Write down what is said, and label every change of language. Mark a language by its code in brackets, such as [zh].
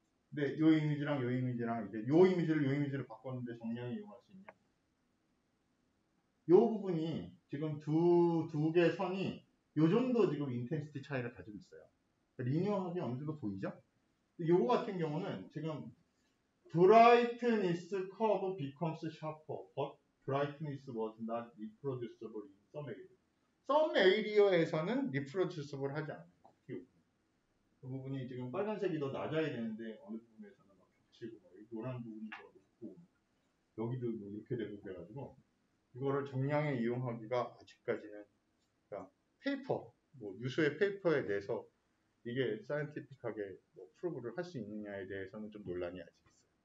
[ko] 근데 요 이미지랑 요 이미지랑 이제 요 이미지를 바꿨는데 정량이 이용할 수 있냐? 요 부분이 지금 두개 선이 요 정도 지금 인텐시티 차이를 가지고 있어요. 리니어하게 어느 정도 보이죠? 요거 같은 경우는 지금 [en] brightness curve becomes sharper, but brightness was not reproducible in some areas. Some area [ko] 에서는 reproducible 하지 않아요. 그 부분이 지금 빨간색이 더 낮아야 되는데 어느 부분에서는 막 겹치고 막 노란 부분이 더 높고 여기도 뭐 이렇게 되고 그래가지고 이거를 정량에 이용하기가 아직까지는 그러니까 페이퍼 뭐 유수의 페이퍼에 대해서 이게 사이언티픽하게 뭐 프로브를 할수 있느냐에 대해서는 좀 논란이 아직 있어요.